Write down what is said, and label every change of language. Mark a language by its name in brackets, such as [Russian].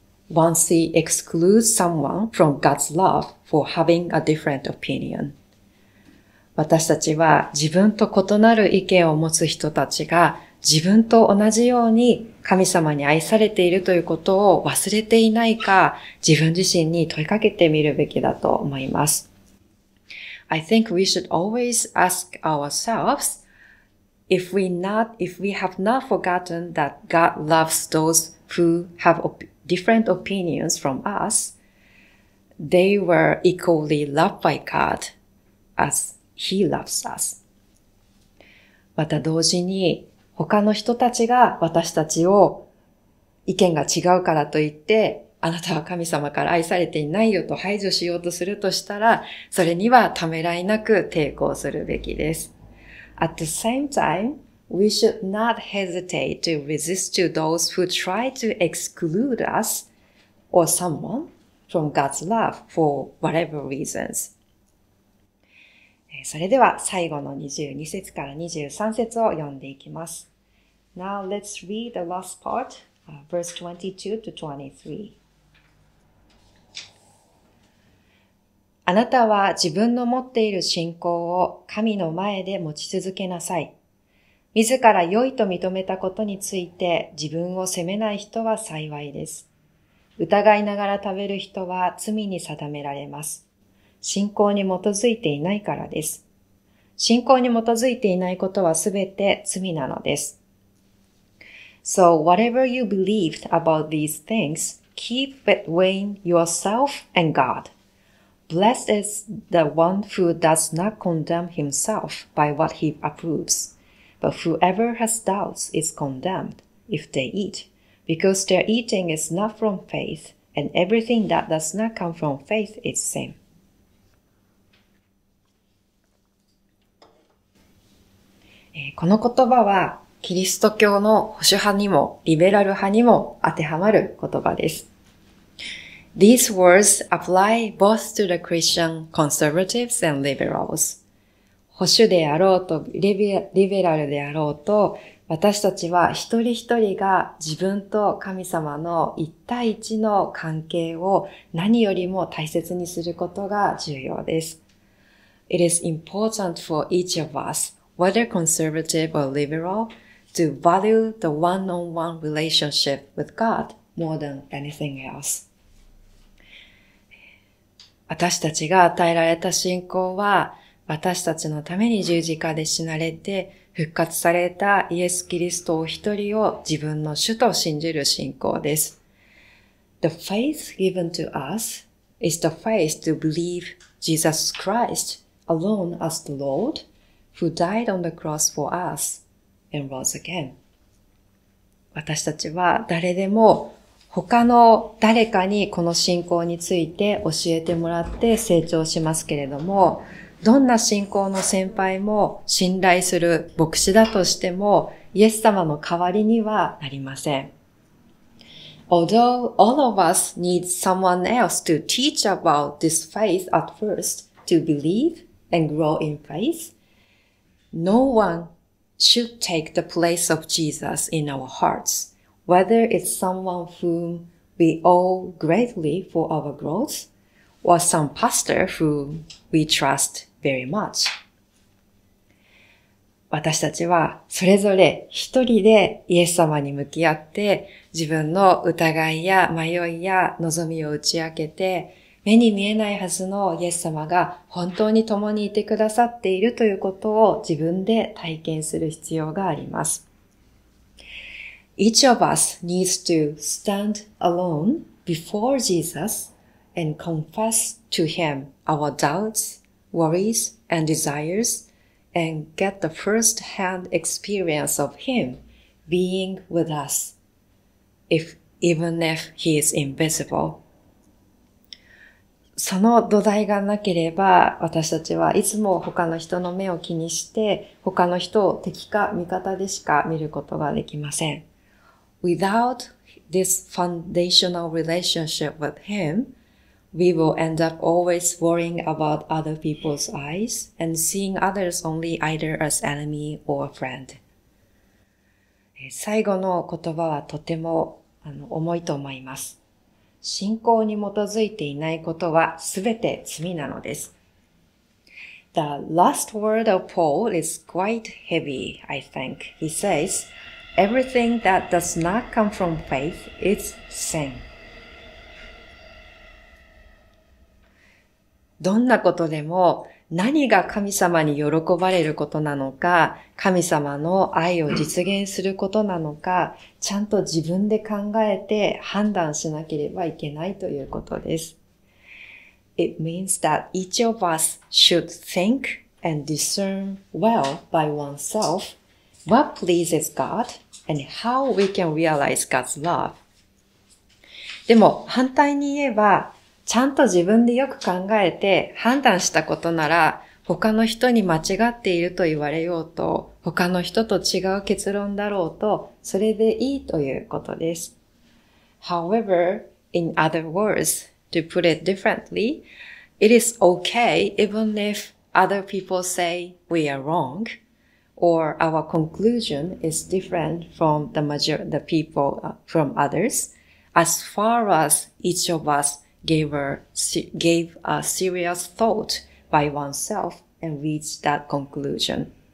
[English] Once he excludes someone from God's love for having a different opinion. [Japanese] 私たちは自分と異なる意見を持つ人たちが自分と同じように神様に愛されているということを忘れていないか自分自身に問いかけてみるべきだと思います。 [English] I think we should always ask ourselves if we have not forgotten that God loves those who have different opinions from us, they were equally loved by God as He loves us. [Japanese] また同時に他の人たちが私たちを意見が違うからといってあなたは神様から愛されていないよと排除しようとするとしたらそれにはためらいなく抵抗するべきです。 [English] At the same time, we should not hesitate to resist to those who try to exclude us or someone from God's love for whatever reasons. [Japanese] それでは最後の22節から23節を読んでいきます。 [English] Now let's read the last part, verse 22 to 23. [Japanese] あなたは自分の持っている信仰を神の前で持ち続けなさい。自ら良いと認めたことについて自分を責めない人は幸いです。疑いながら食べる人は罪に定められます。信仰に基づいていないからです。信仰に基づいていないことはすべて罪なのです。 [English] So whatever you believed about these things, keep between yourself and God. Blessed is the one who does not condemn himself by what he approves. But whoever has doubts is condemned if they eat, because their eating is not from faith, and everything that does not come from faith is sin. [Japanese] この言葉はキリスト教の保守派にもリベラル派にも当てはまる言葉です。 [English] These words apply both to the Christian conservatives and liberals. [Japanese] 保守であろうとリベラルであろうと、私たちは一人一人が自分と神様の一対一の関係を何よりも大切にすることが重要です。 [English] It is important for each of us. Whether conservative or liberal, to value the one-on-one relationship with God more than anything else. [Japanese] 私たちが与えられた信仰は、私たちのために十字架で死なれて、復活されたイエス・キリストお一人を自分の主と信じる信仰です。 [English] The faith given to us is the faith to believe Jesus Christ alone as the Lord,Who died on the cross for us and rose again. [Japanese] 私たちは誰でも他の誰かにこの信仰について教えてもらって成長しますけれども、どんな信仰の先輩も信頼する牧師だとしても、イエス様の代わりにはなりません。 [English] Although all of us need someone else to teach about this faith at first to believe and grow in faith,No one should take the place of Jesus in our hearts, whether it's someone whom we owe greatly for our growth, or some pastor whom we trust very much. [Japanese] 私たちはそれぞれ一人でイエス様に向き合って、自分の疑いや迷いや望みを打ち明けて、目に見えないはずのイエス様が本当に共にいてくださっているということを自分で体験する必要があります。 [English] Each of us needs to stand alone before Jesus and confess to him our doubts, worries, and desires and get the first-hand experience of him being with us, even if he is invisible. [Japanese] その土台がなければ、私たちはいつも他の人の目を気にして、他の人を敵か味方でしか見ることができません。 [English] Without this foundational relationship with him, we will end up always worrying about other people's eyes and seeing others only either as enemy or friend. [Japanese] 最後の言葉はとても重いと思います。信仰に基づいていないことはすべて罪なのです。 [English] The last word of Paul is quite heavy, I think. He says, everything that does not come from faith is sin. [Japanese] どんなことでも何が神様に喜ばれることなのか、神様の愛を実現することなのか、ちゃんと自分で考えて判断しなければいけないということです。 [English] it means that each of us should think and discern well by oneself what pleases God and how we can realize God's love. [Japanese] でも反対に言えば、ちゃんと自分でよく考えて判断したことなら、他の人に間違っていると言われようと、他の人と違う結論だろうと、それでいいということです。 [English] However, in other words, to put it differently, it is okay even if other people say we are wrong, or our conclusion is different from the people from others, as far as each of us gave a serious thought by oneself and reached that conclusion.